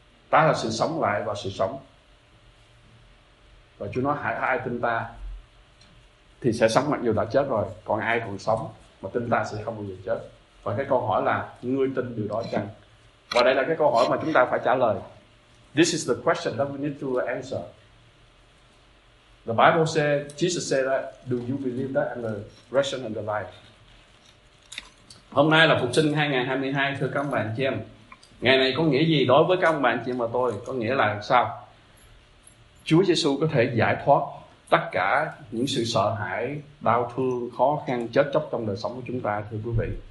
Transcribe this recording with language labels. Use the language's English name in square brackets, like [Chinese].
[Vietnamese] Ta là sự sống lại và sự sống. Và Chúa nói hãy ai tin ta thì sẽ sống mặc dù đã chết rồi, còn ai còn sống mà tin ta sẽ không bao giờ chết. Và cái câu hỏi là ngươi tin điều đó chăng? Và đây là cái câu hỏi mà chúng ta phải trả lời. [English] This is the question that we need to answer. The Bible says, Jesus said that, do you believe that and the resurrection and the life? [Vietnamese] Hôm nay là Phục sinh 2022, thưa các bạn chị em. Ngày này có nghĩa gì đối với các bạn chị em và tôi? Có nghĩa là sao? Chúa Giêsu có thể giải thoát tất cả những sự sợ hãi, đau thương, khó khăn, chết chóc trong đời sống của chúng ta, thưa quý vị.